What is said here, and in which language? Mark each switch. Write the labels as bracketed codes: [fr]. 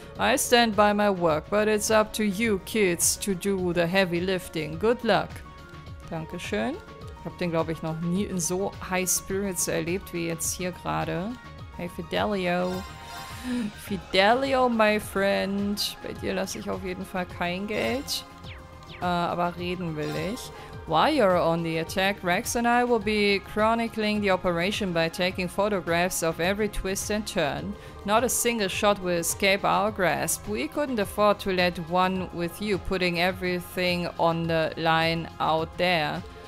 [en] I stand by my work, but it's up to you kids to do the heavy lifting. Good luck. [de] Dankeschön. Ich hab den, glaube ich, noch nie in so [en] high spirits [de] erlebt wie jetzt hier gerade. [en] Hey Fidelio. Fidelio, my friend. [de] Bei dir lasse ich auf jeden Fall kein Geld. Aber reden will ich. [en] While you're on the attack, Rex and I will be chronicling the operation by taking photographs of every twist and turn. Not a single shot will escape our grasp. We couldn't afford to let one with you putting everything on the line out there.